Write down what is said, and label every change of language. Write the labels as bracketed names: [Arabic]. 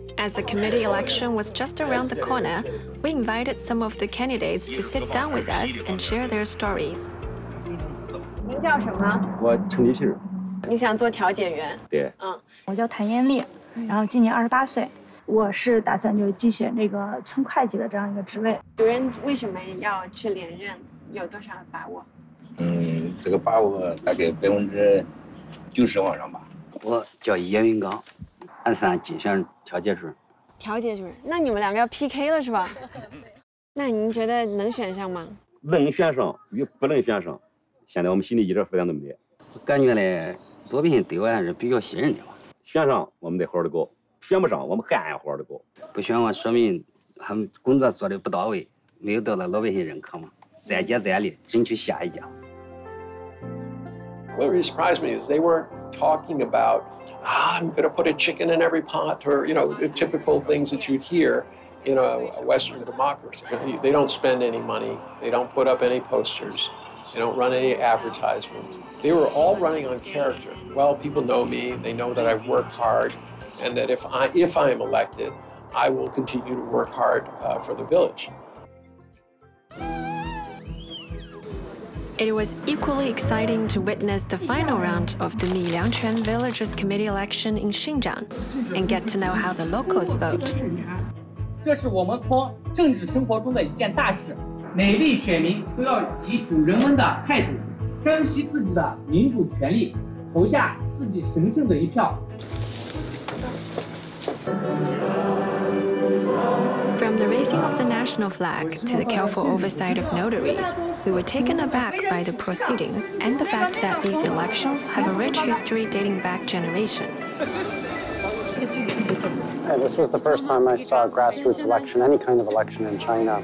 [English] As the committee election was just around the corner, we invited some of the candidates to sit down with us and share their stories. [Chinese] 您叫什么？我陈立新。你想做调解员？对。嗯，我叫谭艳丽，然后今年28岁。我是打算就竞选这个村会计的这样一个职位。主任为什么要去连任？有多少把握？这个把握大概90%往上吧。我叫严云刚，鞍山竞选调解主任。调解主任，那你们两个要 PK 了是吧？那您觉得能选上吗？能选上与不能选上，现在我们心里一点负担都没有。我感觉呢，罗宾逊对我还是比较信任的吧。选上我们得好好的过，选不上我们还按活的过。不选我，说明他们工作做的不到位，没有得到老百姓认可嘛。再接再厉，争取下一家。 [English] What really surprised me is they weren't talking about, I'm going to put a chicken in every pot, or, you know, the typical things that you'd hear in a Western democracy. They don't spend any money. They don't put up any posters. They don't run any advertisements. They were all running on character. Well, people know me. They know that I work hard, and that if I am elected, I will continue to work hard for the village. It was equally exciting to witness the final round of the Mi Liangquan Villagers Committee election in Xinjiang and get to know how the locals vote. [Chinese] 这是我们村政治生活中的一件大事，每位选民都要以主人翁的态度，珍惜自己的民主权利，投下自己神圣的一票。 [English] From the raising of the national flag to the careful oversight of notaries, we were taken aback by the proceedings and the fact that these elections have a rich history dating back generations. Hey, this was the first time I saw a grassroots election, any kind of election in China.